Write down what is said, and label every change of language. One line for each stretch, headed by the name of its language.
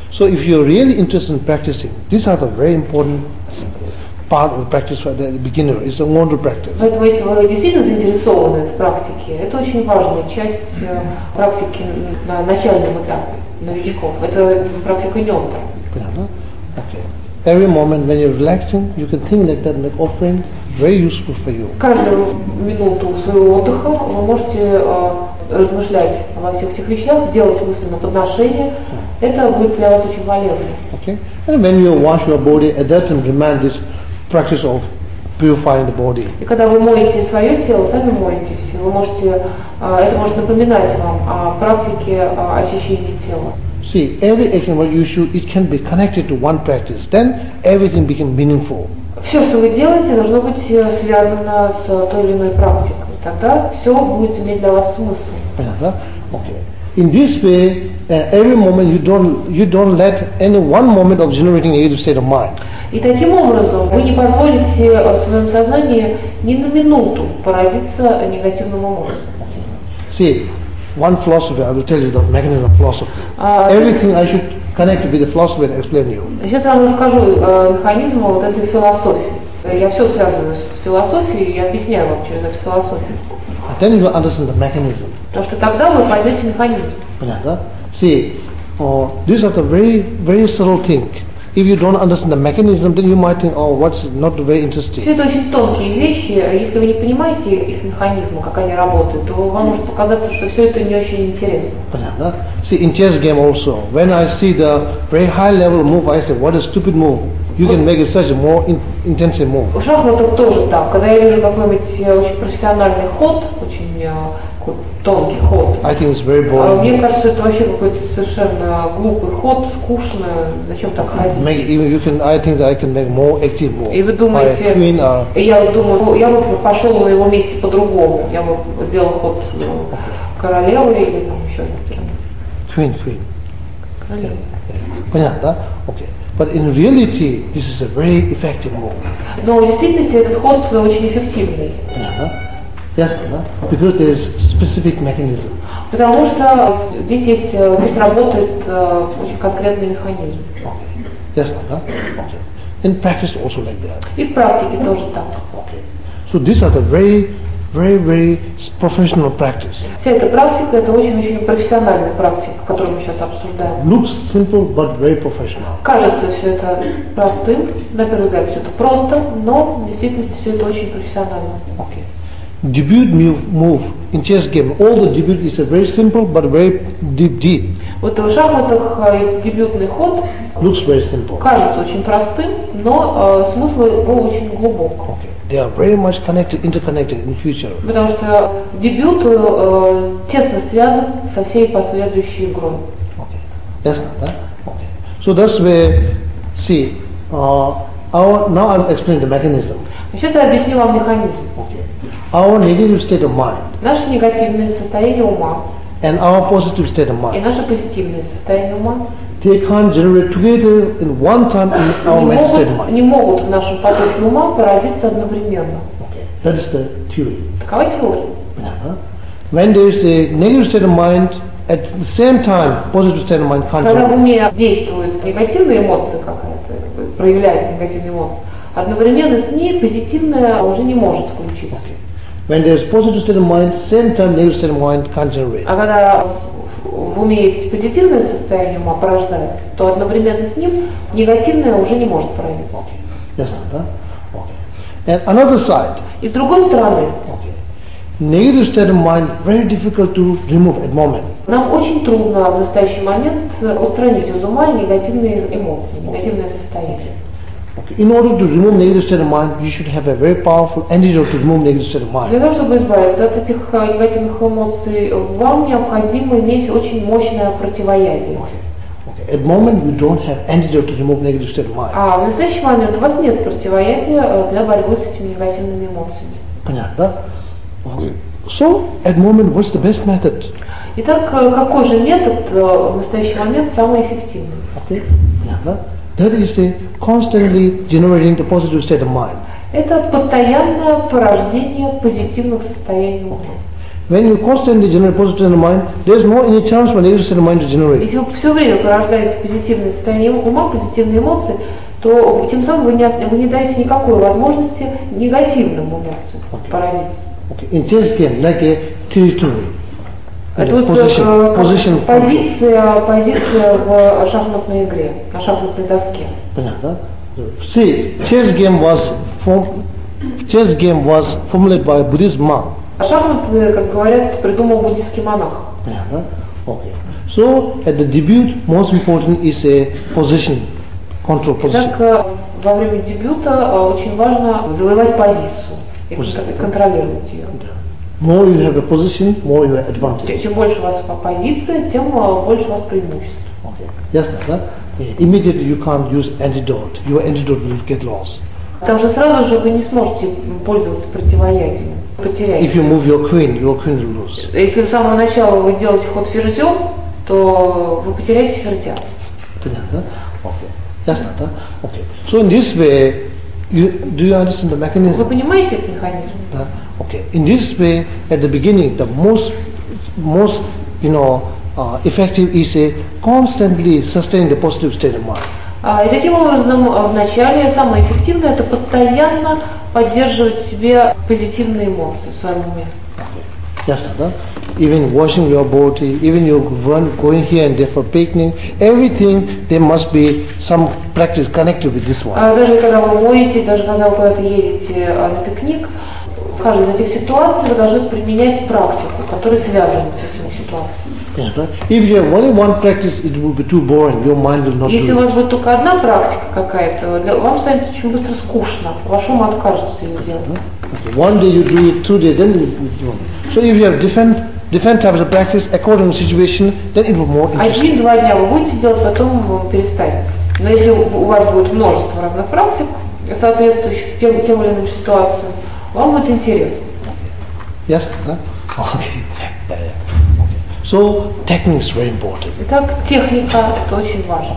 English: So if you're really interested in practicing, these are the very important part of the practice for the beginner. It's a wonderful practice.
Russian: Поэтому если вы действительно заинтересованы в практике, это очень важная часть практики на начальном этапе новичков. Это практика йога. Понятно? Okay.
English: Every moment when you're relaxing, you can think like that, make offering, very useful for you.
Russian: Каждую минуту своего отдыха вы можете размышлять обо всех этих вещах, делать мысленное подношение. Это будет для вас очень полезно.
English: Okay. And when you wash your body, at that time, remind this practice of purifying the body.
Russian: И когда вы моете свое тело, сами моетесь, вы можете, это может напоминать вам о практике очищения тела.
English: See, every action what you do, it can be connected to one practice. Then everything becomes meaningful.
Russian: Все, что вы делаете, должно быть связано с той или иной практикой. Тогда все будет иметь для вас смысл. Понятно? Okay.
English: In this way, every moment you don't let any one moment of generating a negative state of mind.
Russian: И таким образом вы не позволите в своем сознании ни на минуту породиться негативным эмоциям.
English: See. One philosophy, I will tell you the mechanism of philosophy. Everything I should connect with the philosophy and explain you.
Russian: Сейчас я вам расскажу механизм вот этой философии. Я все связываю с философией и объясняю вам через эту философию.
English: Then you will understand the mechanism.
Russian: Потому что тогда вы поймете механизм. Понятно?
English: See, these are the very, very subtle things. If you don't understand the mechanism, then you might think, oh, what's not very interesting.
Russian: Все это очень тонкие вещи. Если вы не понимаете их механизмы, как они работают, то вам может показаться, что все это не очень интересно. Понятно?
English: See, in chess game also, when I see the very high level move, I say, what a stupid move. You can make it such a more intensive move.
Russian: В шахматах тоже так. Когда я вижу какой-нибудь очень профессиональный ход, очень тонкий ход.
English: I think it's very boring.
Russian: Мне кажется, это вообще какой-то совершенно глупый ход, скучно. Зачем так ходить?
English: I think that I can make more active move.
Russian: И вы думаете, я бы пошел на его месте по-другому. Я бы сделал ход королевы или там еще что-то. Queen. Королева. Понятно, да? Окей.
English: But in reality, this is a very effective move.
Russian: Но в действительности этот ход очень эффективный.
English: Yes, no? Because there is specific mechanism.
Russian: Потому что здесь работает очень конкретный механизм.
English: Okay. Yes, no? Okay. In practice also like that.
Russian: И в практике тоже так.
English: Okay. So these are the very, very, very professional practice.
Russian: Вся эта практика — это очень-очень профессиональная практика, которую мы сейчас обсуждаем.
English: Looks simple, but very professional.
Russian: Кажется все это простым, на первый взгляд все это просто, но в действительности все это очень профессионально.
English: Okay. Debut move in chess game. All the debut is a very simple but very deep deed.
Russian: Вот в шахматах дебютный ход
English: looks very simple.
Russian: Кажется очень простым, но смысл его очень глубок.
English: Okay. They are very much connected, interconnected in future.
Russian: Потому что дебют тесно связан со всей последующей игрой.
English: Okay. Yes, да? Okay. So that's where see now I'm explaining the mechanism.
Russian: Сейчас я объясню вам механизм.
English: Our negative state of mind.
Russian: Наше негативное состояние ума.
English: And our positive state of mind.
Russian: И наше позитивное состояние ума.
English: They can't generate together in one time in our mental state of mind.
Russian: Не могут в нашем потоке ума породиться одновременно.
English: Okay. That is the theory.
Russian: Такова теория. Uh-huh.
English: When there is a negative state of mind, at the same time, positive state of mind can't.
Russian: Когда в уме действует негативная эмоция какая-то, проявляет негативные эмоции, одновременно с ней позитивная уже не может включиться.
English: Okay. When there is positive state of mind, same time negative state of mind can't generate.
Russian: А когда в уме есть позитивное состояние ума порождается, то одновременно с ним негативное уже не может проявиться.
English: Okay. Yes, right? Okay. And another side.
Russian: И с другой стороны.
English: Okay. Negative state of mind very difficult to remove at moment.
Russian: Нам очень трудно в настоящий момент устранить из ума негативные эмоции, негативное состояние.
English: Okay. In order to remove negative state of mind, you should have a very powerful energy to remove negative state of mind.
Russian: Для того, чтобы избавиться от этих негативных эмоций, вам необходимо иметь очень мощное противоядие.
English: Okay. a moment you don't have antidote to remove negative state of mind.
Russian: А в настоящий момент у вас нет противоядия для борьбы с этими негативными эмоциями. Понятно, да?
English: So, at moment, what's the best method?
Russian: Итак, какой же метод в настоящий момент самый эффективный?
English: Okay. Yeah, that is the constantly generating the positive state of mind.
Russian: Это постоянное порождение позитивных состояний ума.
English: When you constantly generate positive state of mind, there's no any chance for negative state of mind to generate.
Russian: Если вы все время порождаете позитивное состояние ума, позитивные эмоции, то тем самым вы не даете никакой возможности негативным эмоциям породиться.
English: Okay. In this game, like a territory, position.
Russian: Позиция в шахматной игре, на шахматной доске.
English: Понятно. See, chess game was formulated by a Buddhist monk.
Russian: А шахматы, как говорят, придумал буддийский монах.
English: Понятно. Okay. So, at the debut, most important is a position, control position.
Russian: Итак, во время дебюта очень важно завоевать позицию. И контролировать ее.
English: More you have a position, more you have advantage.
Russian: Чем больше у вас позиция, тем больше у вас преимуществ.
English: Okay.
Russian: Ясно, да?
English: Immediately you can't use antidote. Your antidote will get lost.
Russian: Там же сразу же вы не сможете пользоваться противоядием. Потеряете.
English: If you move your queen will lose.
Russian: Если с самого начала вы делаете ход ферзем, то вы потеряете ферзя. Понятно, да? Okay. Ясно, да? Okay.
English: So in this way, Do you understand the mechanism?
Russian: Вы понимаете этот механизм? Да. Okay.
English: In this way, at the beginning, the most effective is a constantly sustain the positive state of mind.
Russian: И таким образом, в начале самое эффективное это постоянно поддерживать в себе позитивные эмоции в своем уме. Ясно, да?
English: Even washing your body, even you run, going here and there for picnic, everything, there must be some practice connected with this one.
Russian: Даже когда вы моете, даже когда вы куда-то едете на пикник, в каждой из этих ситуаций вы должны применять практику, которая связана с этими ситуациями.
English: Yeah, right? If you have only one practice, it will be too boring, your mind will not
Russian: Если у вас будет только одна практика какая-то, вам станет очень быстро скучно, ваш ум откажется ее делать.
English: One day you do it, two days, then you do it. So if you have different types of practice according to situation, then it will more interesting.
Russian: Один-два дня вы будете делать, потом вы перестанете. Но если у вас будет множество разных практик, соответствующих тем или иным ситуациям, вам будет интересно.
English: Yes? Huh? Okay. So, technique is very important.
Russian: Итак, техника – это очень важно.